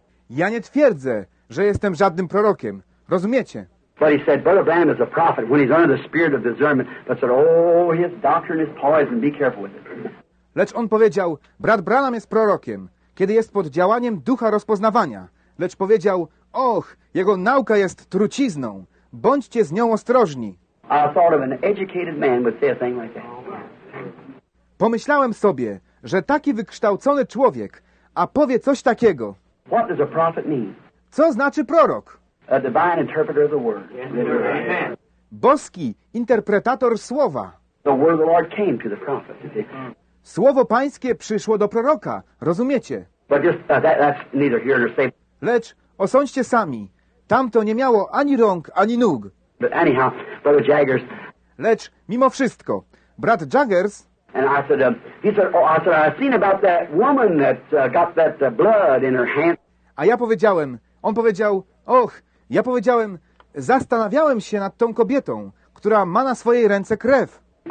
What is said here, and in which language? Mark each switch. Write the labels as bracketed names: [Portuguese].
[Polish] Ja nie twierdzę, że jestem żadnym prorokiem. Rozumiecie? [English] But he said, Brother Branham is a prophet when he's under the spirit of discernment. But said, oh, his doctrine is poison. Be careful with it. [Polish] Lecz on powiedział, brat Branham jest prorokiem, kiedy jest pod działaniem ducha rozpoznawania. Lecz powiedział, och, jego nauka jest trucizną. Bądźcie z nią ostrożni. [English] I thought of an educated man would say a thing like that. [Polish] Pomyślałem sobie, że taki wykształcony człowiek, a powie coś takiego. [English] What does a prophet mean? [Polish] Co znaczy prorok? [English] A divine interpreter of the word. [Polish] Boski interpretator słowa. [English] The word of the Lord came to the prophet. [Polish] Słowo pańskie przyszło do proroka, rozumiecie? [English] But just, that's neither here nor there. [Polish] Lecz osądźcie sami, tamto nie miało ani rąk, ani nóg. [English] But anyhow, Brother Jaggers. [Polish] Lecz mimo wszystko, brat Jaggers. [English] And I said, I seen about that woman that got that blood in her hand. [Polish] A ja powiedziałem, on powiedział. Och, ja powiedziałem, zastanawiałem się nad tą kobietą, która ma na swojej ręce krew.